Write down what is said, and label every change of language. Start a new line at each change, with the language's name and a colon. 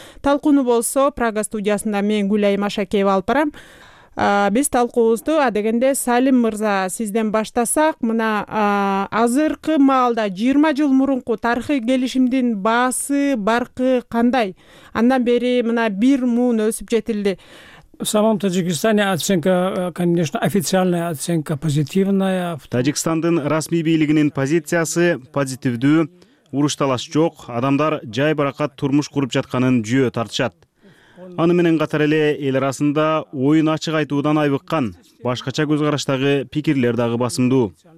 Kyrgyz: Талкууну болсо Прага студиясында мен Гүлайым Ашакеева алып барам. Биз талкуубузду адегенде Салим мырза сизден баштасак, мына азыркы маалда 20 жыл мурунку тарыхый келишимдин баасы баркы кандай? Андан бери мына бир муун өсүп жетилди.
Russian: В самом Таджикистане оценка, конечно, официальная оценка позитивная.
Kyrgyz: Таджикстандын расмий бийлигинин позициясы позитивдүү. Урушталаш жок, адамдар жай баракат турмуш куруп жатканын жүйө тартышат. Аны менен катар эле эл арасында оюн ачык айтуудан айбыккан, башкача көз караштагы пикирлер дагы басымдуу.